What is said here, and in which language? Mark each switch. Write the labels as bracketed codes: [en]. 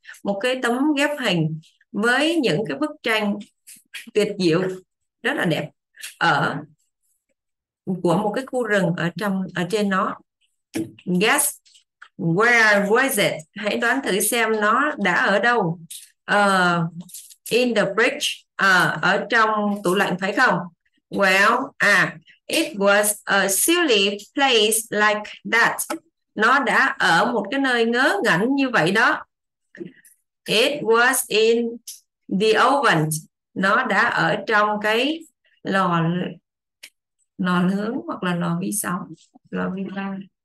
[vi] Một cái tấm ghép hình với những cái bức tranh tuyệt diệu, rất là đẹp, ở của một cái khu rừng ở trong, ở trên nó. [en] Guess where was it? [vi] Hãy đoán thử xem nó đã ở đâu. [en] In the fridge, [vi] ở trong tủ lạnh phải không? [en] Well, it was a silly place like that. [vi] Nó đã ở một cái nơi ngớ ngẩn như vậy đó. [en] It was in the oven. [vi] Nó đã ở trong cái lò, lò nướng hoặc là lò vi sóng, lò vi ba.